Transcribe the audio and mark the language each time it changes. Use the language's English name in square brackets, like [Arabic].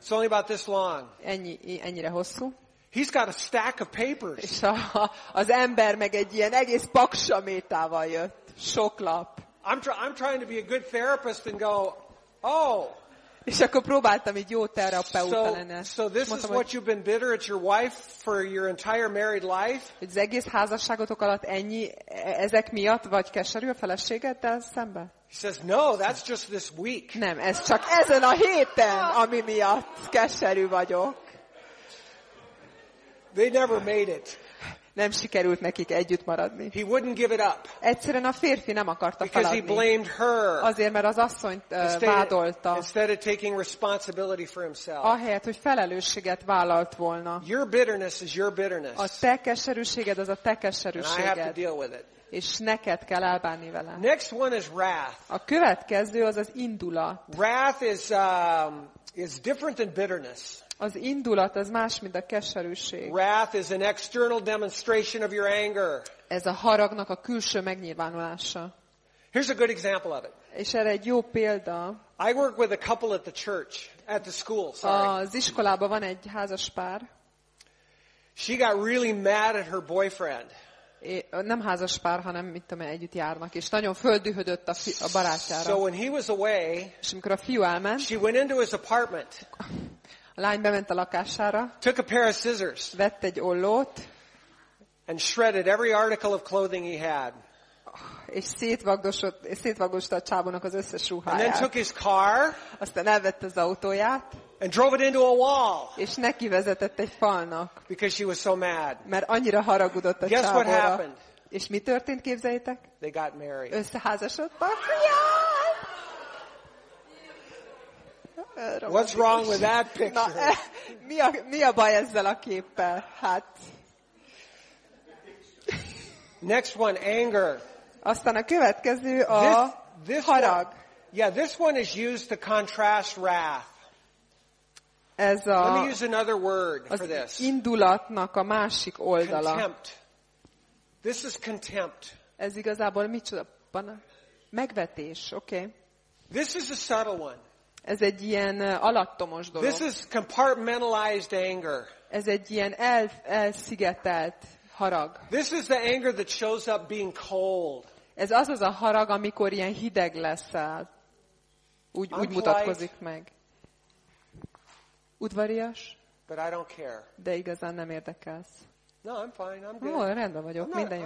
[English] It's only about this long. [Hungarian] Ennyire hosszú. [English] He's got a stack of papers. [Hungarian] És az ember meg egy ilyen egész paksamétával jött, sok lap. [English] I'm trying to be a good therapist and go, oh. [Hungarian] És akkor próbáltam egy jó terapeuta lenni. [English] So this is what you've been bitter at your wife for your entire married life? [Hungarian] Az egész házasságotok alatt ennyi ezek miatt vagy keserű a feleségeddel szemben? [English] He says, no, that's just this week. [Hungarian] Nem, ez csak ezen a héten, ami miatt keserű vagyok. [English] They never made it. [Hungarian] Nem sikerült nekik együtt maradni. [English] He wouldn't give it up. [Hungarian] Egyszerűen a férfi nem akarta feladni. [English] Because he blamed her. [Hungarian] Azért, mert az asszonyt vádolta. [English] Instead of taking responsibility for himself. [Hungarian] Ahelyett, hogy felelősséget vállalt volna. [English] Your bitterness is your bitterness. [Hungarian] A te keserűséged az a te keserűséged. [English] And I have to deal with it. [Hungarian] És neked kell elbánni vele. [English] Next one is wrath. [Hungarian] A következő az az indulat. [English] Wrath is different than bitterness. [Hungarian] Az indulat az más, mint a keserűség. [English] Wrath is an external demonstration of your anger. [Hungarian] Ez a haragnak a külső megnyilvánulása. [English] Here's a good example of it. [Hungarian] És erre egy jó példa. [English] I work with a couple at the church, at the school, sorry. [Hungarian] Az iskolában van egy házas pár. [English] She got really mad at her boyfriend. [Hungarian] Nem házas pár, hanem mit tudom, együtt járnak, és nagyon földühödött a barátjára. [English] So when he was away, [Hungarian] és amikor a fiú elment, [English] she went into his apartment. [Hungarian] A lány bement a lakására, [English] took a pair of scissors, [Hungarian] vett egy ollót, [English] and shredded every article of clothing he had. [Hungarian] És szétvagdosta a csávónak az összes ruháját. [English] And then took his car, [Hungarian] aztán elvett az autóját, [English] and drove it into a wall, [Hungarian] és neki vezetett egy falnak, [English] because she was so mad. [Hungarian] Mert annyira haragudott a csávóra. [English] Guess what happened? [Hungarian] És mi történt, képzeljétek? [English] They got married. [Hungarian] Összeházasodtak. [English] What's wrong with that picture? [Hungarian] Mi a baj ezzel a képpel? Hát. [English] Next one, anger. [Hungarian] Aztán a következő a harag. [English] Yeah, this one is used to contrast wrath. [Hungarian] Ez a. [English] Let me use another word for this. [Hungarian] Az indulatnak a másik oldala. [English] Contempt. This is contempt. [Hungarian] Ez igazából micsoda? Megvetés, oké. [English] This is a subtle one. [Hungarian] Ez egy ilyen alattomos dolog. [English] This is compartmentalized anger. [Hungarian] Ez egy ilyen elszigetelt harag. [English] This is the anger that shows up being cold. [Hungarian] Ez az a harag, amikor ilyen hideg leszel. Úgy mutatkozik meg. Udvarias? [English] But I don't care. [Hungarian] De igazán nem érdekelsz. [English] No, I'm fine. I'm good. [Hungarian] Rendben vagyok, minden jó.